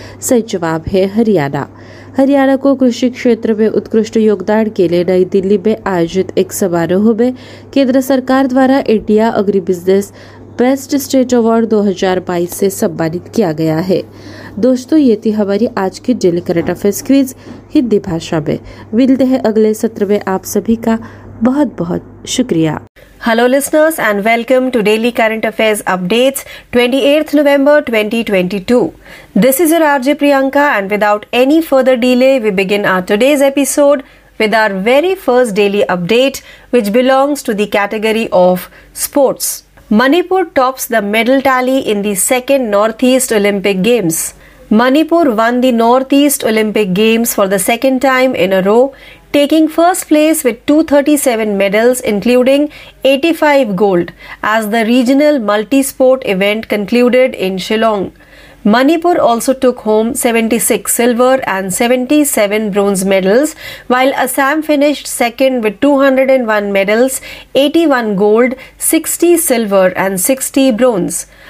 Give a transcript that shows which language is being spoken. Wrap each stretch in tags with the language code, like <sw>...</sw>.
<hi>सही जवाब है हरियाणा। हरियाणा को कृषि क्षेत्र में उत्कृष्ट योगदान के लिए नई दिल्ली में आयोजित एक समारोह में केंद्र सरकार द्वारा India agree business best state award 2022 से सम्मानित किया गया है। दोस्तों, ये थी हमारी आज की daily current affairs quiz Hindi भाषा में। मिलते हैं अगले सत्र में। आप सभी का बहुत बहुत शुक्रिया।</hi> <en>Hello listeners and welcome to daily current affairs updates 28th November 2022। This is your RJ Priyanka and without any further delay we begin our today's episode with our very first daily update which belongs to the category of sports. Manipur tops the medal tally in the second North East Olympic games. Manipur won the North East Olympic games for the second time in a row, taking first place with 237 medals including 85 gold as the regional multi-sport event concluded in Shillong. Manipur also took home 76 silver and 77 bronze medals, while Assam finished second with 201 medals, 81 gold, 60 silver and 60 bronze.</en>